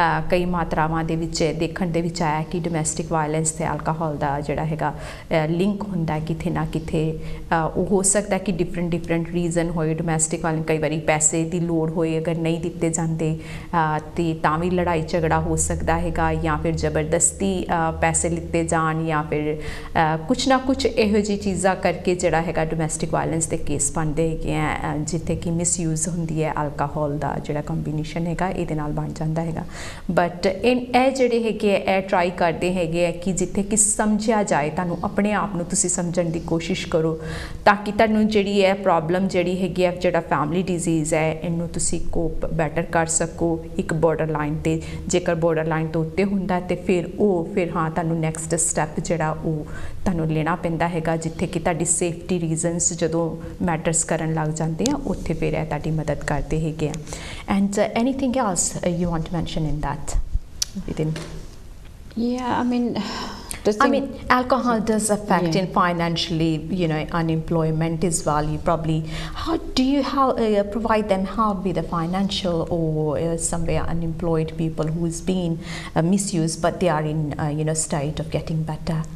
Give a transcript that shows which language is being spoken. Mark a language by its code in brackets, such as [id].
[pa] कई मात्रावां दे विच देखण दे विच आया कि डोमैसटिक वायलेंस से अल्कोहल का जड़ा है लिंक होंदा किथे ना किथे हो सकता कि डिफरेंट डिफरेंट रीजन होए डोमैसटिक वायलेंस कई बार पैसे की लोड़ होए अगर नहीं दिते जाते तो भी ਲੜਾਈ ਝਗੜਾ ਹੋ ਸਕਦਾ ਹੈਗਾ ਜਾਂ ਫਿਰ ਜ਼ਬਰਦਸਤੀ ਪੈਸੇ ਲਿੱਤੇ ਜਾਣ ਜਾਂ ਫਿਰ ਕੁਛ ਨਾ ਕੁਛ ਇਹੋ ਜਿਹੀ ਚੀਜ਼ਾਂ ਕਰਕੇ ਜਿਹੜਾ ਹੈਗਾ ਡੋਮੈਸਟਿਕ ਵਾਇਲੈਂਸ ਦੇ ਕੇਸ ਬਣਦੇ ਹੈਗੇ ਆ ਜਿੱਥੇ ਕਿ ਮਿਸਯੂਜ਼ ਹੁੰਦੀ ਹੈ ਅਲਕੋਹੋਲ ਦਾ ਜਿਹੜਾ ਕੰਬੀਨੇਸ਼ਨ ਹੈਗਾ ਇਹਦੇ ਨਾਲ ਬਣ ਜਾਂਦਾ ਹੈਗਾ ਬਟ ਇਨ ਇਹ ਜਿਹੜੇ ਹੈਗੇ ਆ ਇਹ ਟਰਾਈ ਕਰਦੇ ਹੈਗੇ ਆ ਕਿ ਜਿੱਥੇ ਕਿ ਸਮਝਿਆ ਜਾਏ ਤੁਹਾਨੂੰ ਆਪਣੇ ਆਪ ਨੂੰ ਤੁਸੀਂ ਸਮਝਣ ਦੀ ਕੋਸ਼ਿਸ਼ ਕਰੋ ਤਾਂ ਕਿ ਤੁਹਾਨੂੰ ਜਿਹੜੀ ਹੈ ਪ੍ਰੋਬਲਮ ਜਿਹੜੀ ਹੈਗੀ ਆ ਜਿਹੜਾ ਫੈਮਲੀ ਡਿਜ਼ੀਜ਼ ਹੈ ਇਹਨੂੰ ਤੁਸੀਂ ਕੋਪ ਬੈਟਰ ਕਰ ਸਕੋ ਇੱਕ ਬੋਰਡਰ ਲਾਈਨ 'ਤੇ ਜੇਕਰ ਬੋਰਡਰ ਲਾਈਨ ਤੋਂ ਉੱਤੇ ਹੁੰਦਾ ਤਾਂ ਫਿਰ ਉਹ ਫਿਰ ਹਾਂ ਤੁਹਾਨੂੰ ਨੈਕਸਟ ਸਟੈਪ ਜਿਹੜਾ ਉਹ ਤੁਹਾਨੂੰ ਲੈਣਾ ਪੈਂਦਾ ਹੈਗਾ ਜਿੱਥੇ ਕਿ ਤੁਹਾਡੀ ਸੇਫਟੀ ਰੀਜ਼ਨਸ ਜਦੋਂ ਮੈਟਰਸ ਕਰਨ ਲੱਗ ਜਾਂਦੇ ਆ ਉੱਥੇ ਫਿਰ ਇਹ ਤੁਹਾਡੀ ਮਦਦ ਕਰਦੇ ਹੈਗੇ ਆ [en] And anything else you want to mention in that within yeah I mean I mean, alcohol does affect in financially, you know, unemployment as well. You probably, how do you provide them help with the financial or somewhere unemployed people who's been misused, but they are in, you know, state of getting better?